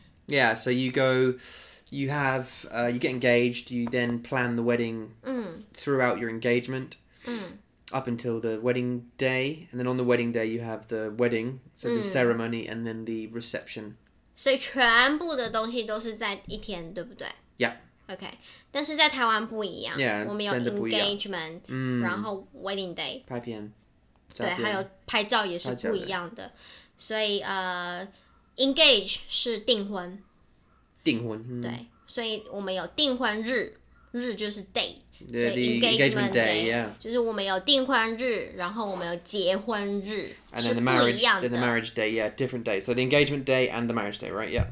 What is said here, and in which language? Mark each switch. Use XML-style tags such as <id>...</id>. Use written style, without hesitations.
<en>Yeah, so you go, you have, you get engaged, you then plan the wedding throughout your engagement, up until the wedding day, and then on the wedding day, you have the wedding, so the ceremony, and then the reception.</en> <zh>所以全部的东西都是在一天，对不对?</zh> <en>Yeah.</en> <zh>Okay, 但是在台湾不一样,</zh> <en>yeah,</en> <zh>我们有engagement, 然后wedding day, 拍片, 对，还有拍照也是不一样的, 所以, engage是订婚, 订婚, 对，所以我们有订婚日, 日就是day,</zh> <en>yeah, the engagement day, yeah,</en> <zh>就是我们有订婚日, 然后我们有结婚日,</zh> <en>and then the marriage, then the marriage day, yeah, different day, so the engagement day and the marriage day, right, yeah,</en>